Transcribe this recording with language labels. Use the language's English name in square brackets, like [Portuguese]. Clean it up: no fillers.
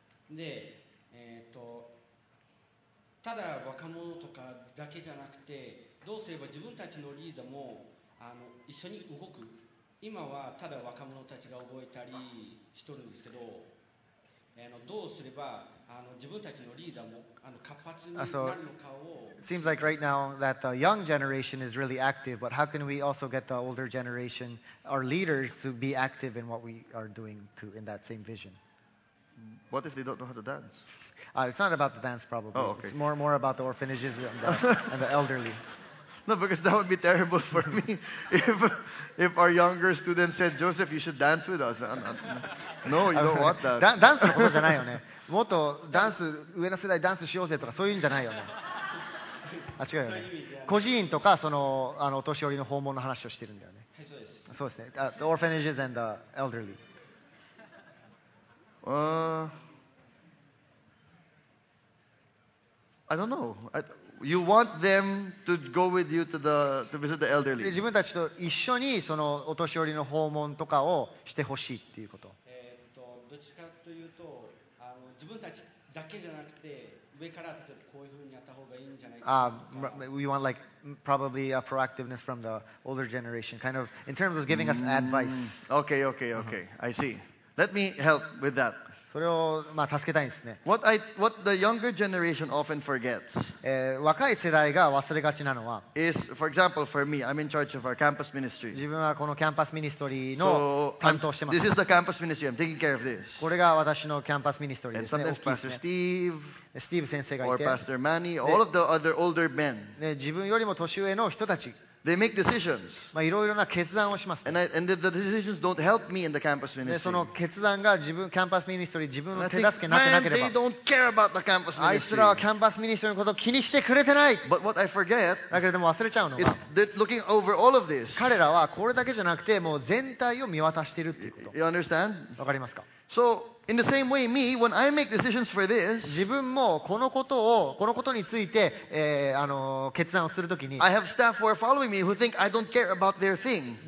[Japanese] でただ若者とかだけじゃなくてどうすれば自分たちのリーダーも一緒に動く今はただ若者たちが覚えたりしとるんですけどどうすれば自分たちのリーダーも活発になるのかを、 [English] It seems like right now that the young generation is really active but how can we also get the older generation our leaders to be active in what we are doing to in that same vision What if they don't know how to dance It's not about the dance, probably. Oh, okay. It's more about the orphanages and the elderly. No, because that would be terrible for me if our younger students said, Joseph, you should dance with us. No, you don't want that. [Japanese] Dance のことじゃないよね。もっとダンス、上の世代ダンスしようぜとかそういうんじゃないよね。あ、違うよね。個人とかそのお年寄りの訪問の話をしてるんだよね。はい、そうです。そうですね。 [English] The orphanages and the elderly. I don't know. You want them to go with you to visit the elderly. [Japanese] 自分たちと一緒にそのお年寄りの訪問とかをしてほしいっていうこと。どっちかというと自分たちだけじゃなくて上から例えばこういうふうにやった方がいいんじゃないかとか。 [English] We want like probably a proactiveness from the older generation, kind of in terms of giving us advice. Okay. I see. Let me help with that. [Japanese] それをまあ助けたいんですね。 [English] What the younger generation often forgets [Japanese] 若い世代が忘れがちなのは [English] is, for example, for me, I'm in charge of our campus ministry. [Japanese] 自分はこのキャンパスミニストリーの担当してます。 [English] So, this is the campus ministry. I'm taking care of this. [Japanese] これが私のキャンパスミニストリーですね。 [English] And sometimes Pastor Steve, [Japanese] Steve 先生がいて [English] or Pastor Manny, all of the other older men. [Japanese] 自分よりも年上の人たち。 [English] They make decisions. [Japanese] まあ、いろいろな決断をします、ね。 [English] And the decisions don't help me in the campus ministry. [Japanese] でその決断が自分キャンパスミニストリー自分の手助けになってなければ。 [English] Man, they don't care about the campus ministry. [Japanese] あいつらはキャンパスミニストリーのことを気にしてくれてない。 [English] But what I forget, [Japanese] だけれども忘れちゃうのは、 [English] that looking over all of this, [Japanese] 彼らはこれだけじゃなくてもう全体を見渡しているっていうこと。 [English] You understand? [Japanese] わかりますか。 [English] So in the same way, me when I make decisions for this, [Japanese] 自分もこのことをこのことについて、決断をするときに、 [English] I have staff who are following me who think I don't care about their thing.